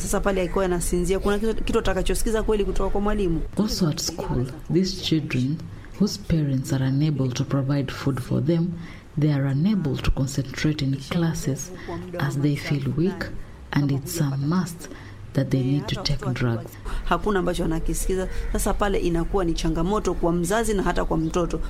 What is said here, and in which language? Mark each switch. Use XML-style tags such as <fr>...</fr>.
<sw>Sasa pale yakuwa anasinzia, kuna kitu atakachosikiza kweli kutoka kwa mwalimu.</sw> <en>Also at school, these children whose parents are unable to provide food for them, they are unable to concentrate in classes as they feel weak, and it's a must that they need to take drugs.</en> <sw>Hakuna ambacho anakisikiza. Sasa pale inakuwa ni changamoto kwa mzazi na hata kwa mtoto.</sw>